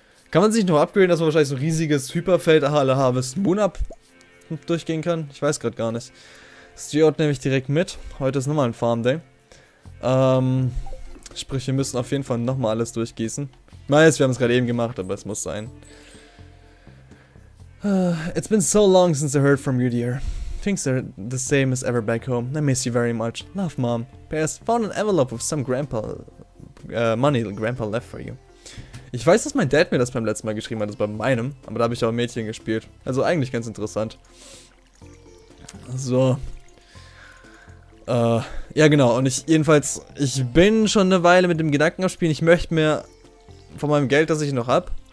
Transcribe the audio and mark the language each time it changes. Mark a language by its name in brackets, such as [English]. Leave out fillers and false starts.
[German] Kann man sich noch upgraden, dass man wahrscheinlich so ein riesiges Hyperfeld alle Harvest Moon Up durchgehen kann? Ich weiß gerade gar nicht. Steward nehme ich direkt mit. Heute ist nochmal ein Farm Day. Sprich, wir müssen auf jeden Fall nochmal alles durchgießen. Ich weiß, wir haben es gerade eben gemacht, aber es muss sein. [English] It's been so long since I heard from you, dear. Things are the same as ever back home. I miss you very much. Love, Mom. P.S. Found an envelope with some grandpa money grandpa left for you. [German] Ich weiß, dass mein Dad mir das beim letzten Mal geschrieben hat, das bei meinem, aber da habe ich auch Mädchen gespielt. Also eigentlich ganz interessant. So. Ja genau, und ich bin schon eine Weile mit dem Gedanken am Spielen, ich möchte mir von meinem Geld, das ich noch hab.